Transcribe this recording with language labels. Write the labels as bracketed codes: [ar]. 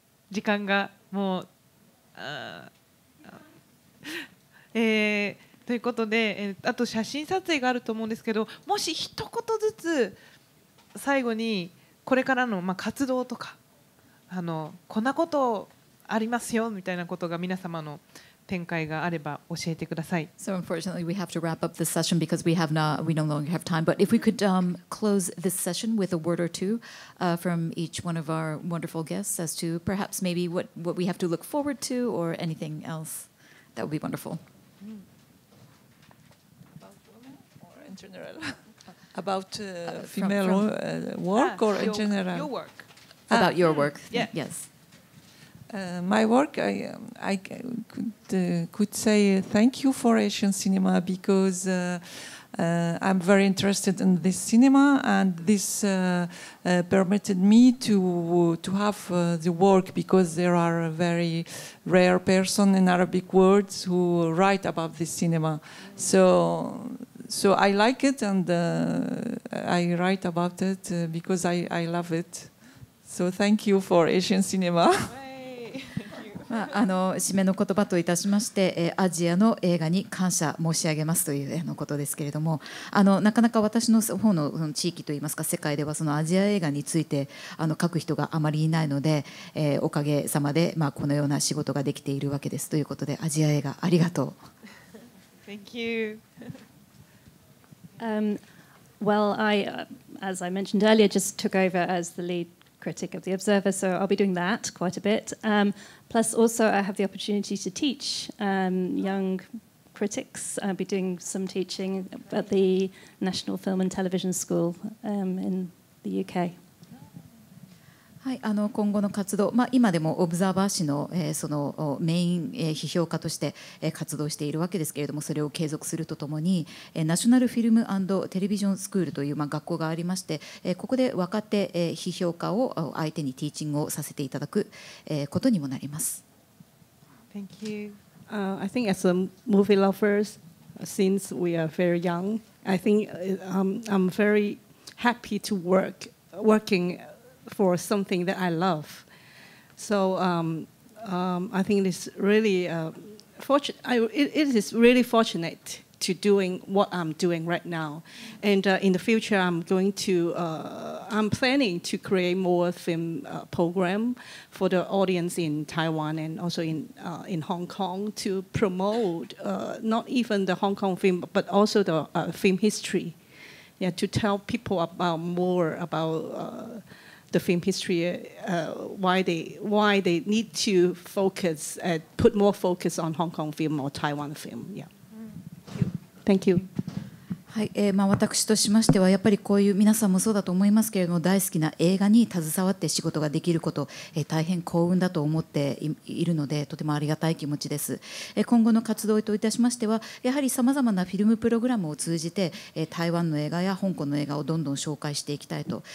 [ja] 時間がもう、ということで、あと写真撮影があると思うんですけど、もし一言ずつ最後にこれからの活動とか、こんなことありますよみたいなことが皆様の展開があれば教えてください。 [en] So unfortunately we have to wrap up this session because we no longer have time. But if we could close this session with a word or two from each one of our wonderful guests as to perhaps maybe what we have to look forward to or anything else, that would be wonderful. General. About female work or in general? Your work. About your work. Yeah. Yes. My work, I could say thank you for Asian cinema because I'm very interested in this cinema, and this permitted me to have the work, because there are a very rare person in Arabic world who write about this cinema. So I like it, and I write about it because I love it. So thank you for Asian cinema. [ja] まあ、締めの言葉といたしまして、アジアの映画に感謝申し上げますというのことですけれども、なかなか私の方の地域といいますか世界ではそのアジア映画について書く人があまりいないので、おかげさまで、まあ、このような仕事ができているわけですということで、アジア映画ありがとう。 [en] Thank you. Well, I, as I mentioned earlier, just took over as the lead critic of the Observer, so I'll be doing that quite a bit. Plus, also, I have the opportunity to teach young critics. I'll be doing some teaching at the National Film and Television School in the UK. [ja] はい、今後の活動、まあ、今でもオブザーバー誌 の、そのメイン、批評家として、活動しているわけですけれども、それを継続するとともに、ナショナルフィルム&テレビジョンスクールという、まあ、学校がありまして、ここで若手、批評家を相手にティーチングをさせていただく、ことにもなります。 [en] Thank you. I think as a movie lovers, since we are very young, I think I'm very happy to working for something that I love. So I think it's really fortunate to doing what I'm doing right now. And in the future, I'm planning to create more film program for the audience in Taiwan and also in Hong Kong to promote not even the Hong Kong film, but also the film history. Yeah, to tell people about more about the film history, why they need to focus and put more focus on Hong Kong film or Taiwan film. Yeah. Thank you. [ja] はい、まあ、私としましてはやっぱりこういう皆さんもそうだと思いますけれども、大好きな映画に携わって仕事ができること、大変幸運だと思って いるので、とてもありがたい気持ちです。今後の活動といたしましては、やはりさまざまなフィルムプログラムを通じて、台湾の映画や香港の映画をどんどん紹介していきたいと。